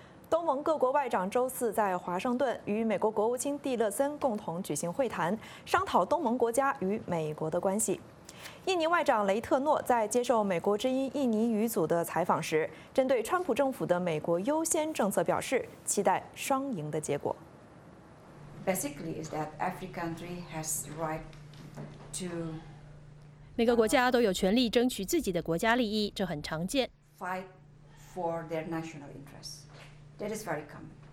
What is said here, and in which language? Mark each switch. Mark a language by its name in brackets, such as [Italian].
[Chinese] 东盟各国外长周四在华盛顿与美国国务卿蒂勒森共同举行会谈，商讨东盟国家与美国的关系。印尼外长雷特诺在接受美国之音印尼语组的采访时，针对川普政府的美国优先政策表示，期待双赢的结果。 [English] Basically, is that every country has right to [Chinese] 每个国家都有权利争取自己的国家利益，这很常见。 [English] Fight for their national interests, that is very common.